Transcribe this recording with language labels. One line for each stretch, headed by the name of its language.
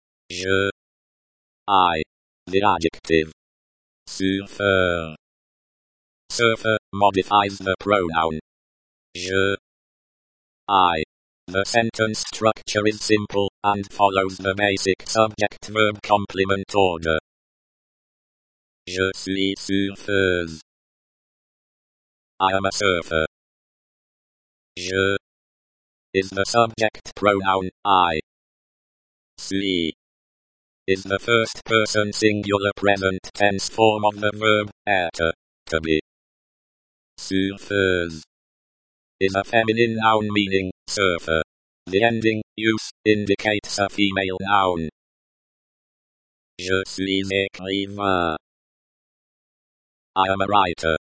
English: Je. I. The adjective. Surfeur. Surfeur modifies the pronoun. Je. I. The sentence structure is simple, and follows the basic subject-verb complement order.
French: Je suis surfeuse.
English: I am a surfer. Je is the subject pronoun, I. Suis is the first person singular present tense form of the verb être, to be. Surfeuse is a feminine noun meaning surfer. The ending use indicates a female noun.
French: Je suis écrivain.
English: I am a writer.